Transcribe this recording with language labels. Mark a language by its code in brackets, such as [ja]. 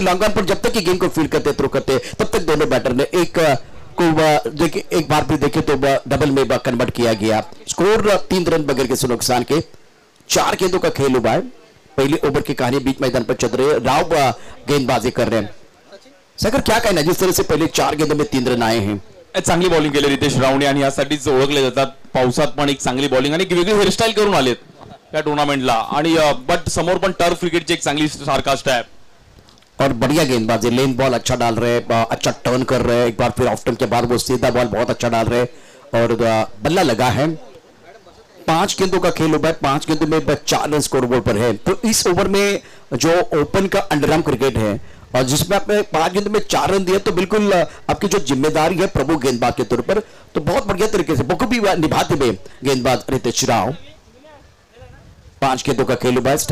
[hi] Long on पर जब तक गेंद को फील्ड करते थ्रो करते तब तक दोनों बैटर ने एक को देखिए एक बार भी देखे तो डबल में कन्वर्ट किया गया. स्कोर 3 रन बगैर किसी नुकसान के 4 गेंदों का खेल हुआ है. पहले ओवर की कहानी बीच मैदान पर चल रहे राव गेंदबाजी कर रहे हैं. सागर क्या कहना जिस तरह से पहले 4 गेंदों में 3 रन आए हैं. [mr] चांगली बॉलिंग केली रितेश रावणे आणि यासाठीच ओळखले जातात. पावसात पण एक चांगली बॉलिंग आणि एक वेगळी हेअरस्टाईल करून आलेत या टुर्नामेंटला आणि बट समोर पण टर्फ क्रिकेटची एक चांगली सारकास्ट आहे. [hi] और बढ़िया गेंदबाजी लेन बॉल अच्छा डाल रहे अच्छा टर्न कर रहे एक बार फिर ऑफ टर्न के बाद वो सीधा बॉल बहुत अच्छा डाल रहे और बल्ला लगा है. 5 गेंदों का खेल हुआ है. 5 गेंदों में 4 रन स्कोर बोर्ड पर है. तो इस ओवर में जो ओपन का अंडरआर्म क्रिकेट है और जिसमें आपने 5 गेंद में 4 रन दिया तो बिल्कुल आपकी जो जिम्मेदारी है प्रभु गेंदबाज के तौर पर तो बहुत बढ़िया तरीके से बखूबी निभाते हुए गेंदबाज रितेश राव 5 गेंदों का खेल हुआ.